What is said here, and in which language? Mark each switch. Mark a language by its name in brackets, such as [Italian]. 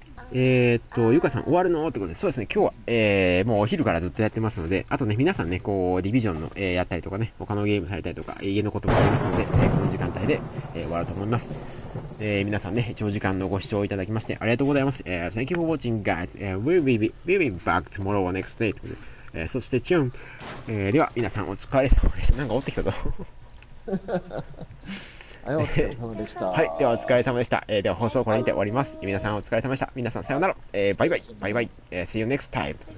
[Japanese] ゆかさん、終わるのってことで、そうですね、今日は、もうお昼からずっとやってますので、あとね、皆さんね、こう、ディビジョンの、やったりとかね、他のゲームされたりとか、家のこともありますので、この時間帯で、終わると思います。皆さんね、長時間のご視聴いただきまして、ありがとうございます。 [English] Thank you for watching, guys. We'll be back tomorrow or next day. [Japanese] そして、チューン。では、皆さん、お疲れ様です。なんか追ってきたぞ。はい、お疲れ様でした。はい、ではお疲れ様でした。では放送これにて終わります。皆さんお疲れ様でした。皆さんさようなら。バイバイ。バイバイ。 [English] See you next time.